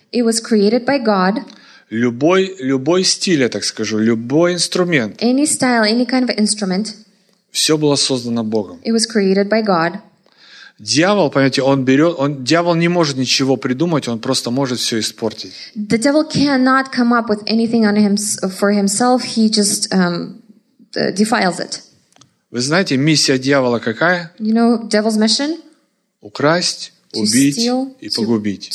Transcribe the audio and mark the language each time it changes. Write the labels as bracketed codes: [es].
[en] It was created by God. [ru] Любой стиль, я так скажу, любой инструмент. [en] Any style, any kind of instrument. [ru] Все было создано Богом. [en] It was created by God. [ru] Дьявол, понимаете, дьявол не может ничего придумать, он просто может все испортить. [en] The devil cannot come up with anything on him for himself. He just defiles it. [ru] Вы знаете, миссия дьявола какая? [en] You know devil's mission? [ru] Украсть, убить и погубить.